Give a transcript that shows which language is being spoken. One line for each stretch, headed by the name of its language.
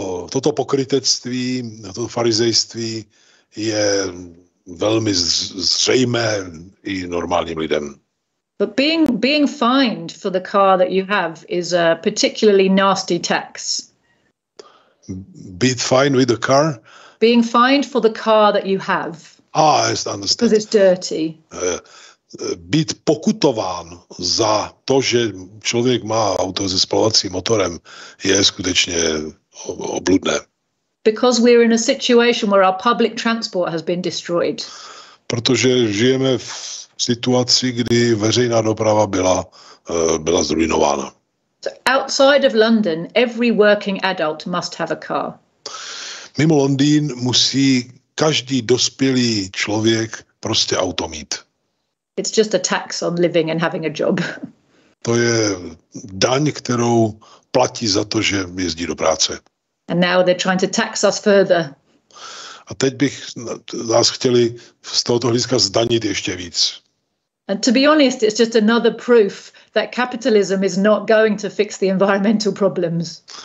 Czech: Toto pokrytectví, toto farizejství je velmi zřejmé i normálním lidem.
English: But being fined for the car that you have is a particularly nasty tax. Being fined with the car? Being fined for the car that you have. Ah, yes, I understand. Because it's dirty.
Czech: Být pokutován za to, že člověk má auto se spalovacím motorem, je skutečně obludné.
English: Because we're in a situation where our public transport has been destroyed.
Czech: Protože žijeme v situaci, kdy veřejná doprava byla zrujnována.
English: So outside of London, every working adult must have a car.
Czech: Mimo Londýn musí každý dospělý člověk prostě auto mít.
English: It's just a tax on living and having a job.
Czech: To je daň, kterou platí za to, že jezdí do práce.
English: And now they're trying to tax us further.
Czech: A teď bych nás chtěli z tohoto hlediska zdanit ještě víc.
English: And to be honest, it's just another proof that capitalism is not going to fix the environmental problems.